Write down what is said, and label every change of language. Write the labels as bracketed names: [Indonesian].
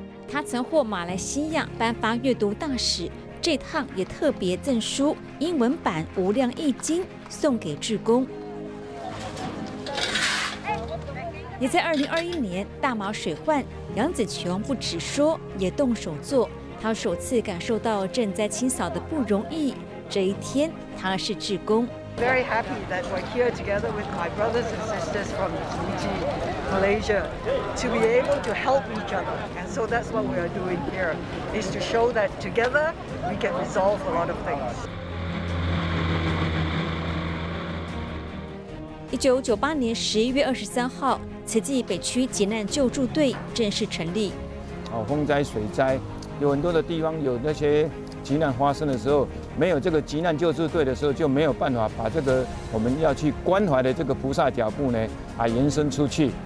[Chinese] 他曾获马来西亚颁发阅读大使，这趟也特别赠书英文版《无量易经》送给志工。也在2021年大马水患，杨紫琼不只说，也动手做。他首次感受到赈灾清扫的不容易。这一天，他是志工。 [English] Very happy that we're here together with my brothers and sisters from Fiji, Malaysia, to be able to help each other. And so that's what we are doing here, is to show that together we can resolve a lot of things. [Chinese] 1998年11月23号，慈济北区急难救助队正式成立。哦，风灾、水灾，有很多的地方有那些急难发生的时候，没有这个急难救助队的时候，就没有办法把这个我们要去关怀的这个菩萨脚步呢，啊，延伸出去。